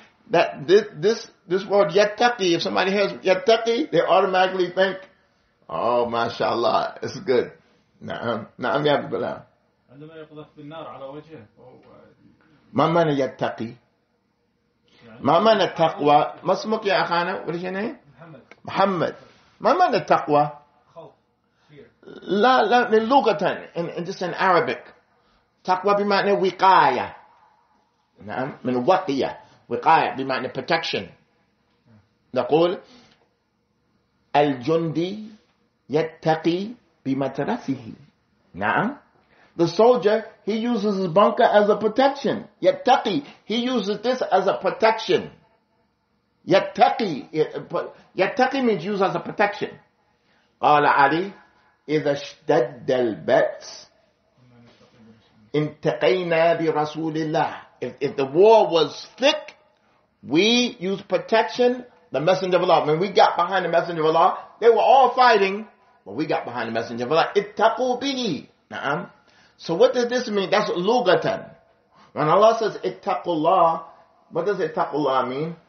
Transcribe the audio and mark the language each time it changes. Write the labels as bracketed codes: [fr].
[en] That this word yattaqi, if somebody hears yattaqi, they automatically think, oh mashallah, it's good. [ar] نعم نعم يا بلال. عندما يقذف بالنار على وجهه. ما معنى يتقي؟ ما معنى التقوى؟ ما اسمك يا أخانا؟ [en] What is your name؟ [ar] محمد. محمد. ما معنى التقوى؟ خوف. لا لا للغة [en] in just in Arabic. [ar] تقوى بمعنى وقاية. نعم من وقية. وقاية بمعنى protection. نقول الجندي يتقي بمترسه. نعم. [en] The soldier, he uses his bunker as a protection. [ar] يتقي. [en] He uses this as a protection. يتقي means use as a protection. [ar] قال علي إذا اشتد البأس انتقينا برسول الله. [en] If the war was thick, we use protection, the Messenger of Allah. When we got behind the Messenger of Allah, they were all fighting, but we got behind the Messenger of Allah. [ar] اتقوا به. نعم. [en] So what does this mean? That's lugatan. When Allah says [ar] اتقوا الله, [en] what does اتقوا الله mean?